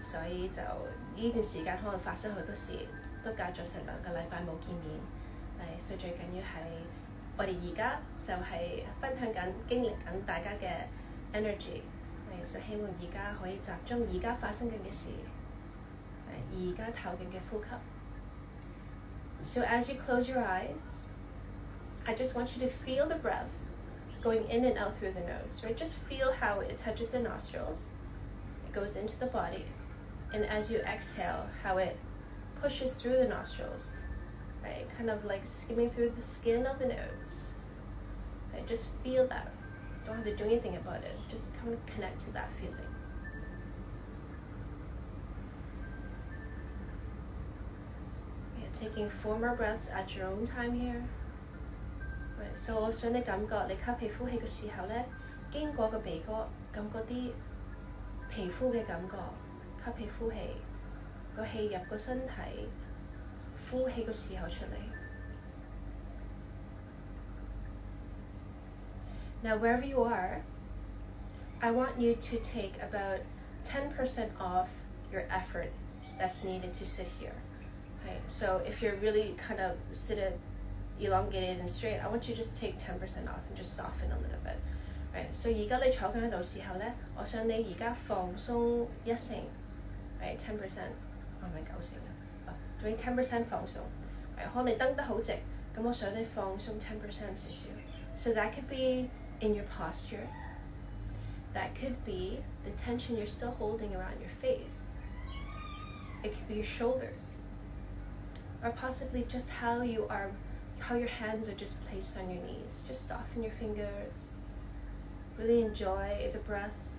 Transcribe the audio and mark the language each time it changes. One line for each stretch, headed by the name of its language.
Cantonese: 所以就呢段時間可能發生好多事，都隔咗成兩個禮拜冇見面。 Right, 所以最重要是我們現在就是分享緊經歷緊大家的 energy， 所以希望現在可以集中現在發生緊的事，現在透緊的呼吸。
English: So as you close your eyes, I just want you to feel the breath going in and out through the nose, right? Just feel how it touches the nostrils, it goes into the body, and as you exhale, how it pushes through the nostrilsRight, kind of like skimming through the skin of the nose. Right, just feel that. Don't have to do anything about it. Just kind of connect to that feeling. Right, taking four more breaths at your own time here. Right, so
Cantonese: 我想你感覺你吸皮膚氣嘅時候咧，經過個鼻哥，感覺啲皮膚嘅感覺，吸皮膚氣，個氣入個身體。呼氣的時候出來。
English: Now wherever you are, I want you to take about 10% off your effort that's needed to sit here. Okay, so if you're really kind of sitting elongated and straight, I want you to just take 10% off and just soften a little bit.
Cantonese: 所以現在你坐在那裡的時候呢，我想你現在放鬆一成 10%， 我是不是九成總之 10% 放鬆，可能你蹬得很直，那我想你放鬆 10% 一點。
English: So that could be in your posture, that could be the tension you're still holding around your face, it could be your shoulders, or possibly just how your hands are just placed on your knees, just soften your fingers, really enjoy the breath.